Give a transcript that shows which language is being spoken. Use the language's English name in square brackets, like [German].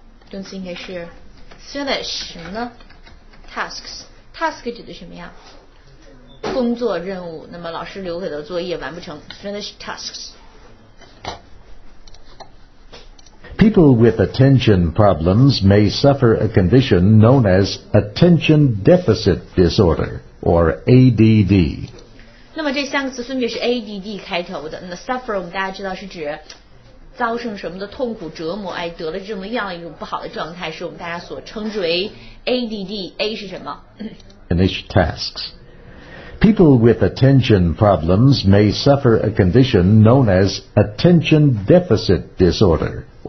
[Chinese] 动词应该是 finish 什么呢 ？Tasks. Task 指的什么呀？工作任务。那么老师留给的作业完不成 ， [English] finish tasks. People with attention problems may suffer a condition known as attention deficit disorder, or ADD. [Chinese] 那么这三个词分别是 ADD 开头的。那 suffer 我们大家知道是指遭受什么的痛苦折磨，哎，得了这么样一种不好的状态，是我们大家所称之为 ADD。 A 是什么 [English] ？Finish tasks. People with attention problems may suffer a condition known as attention deficit disorder.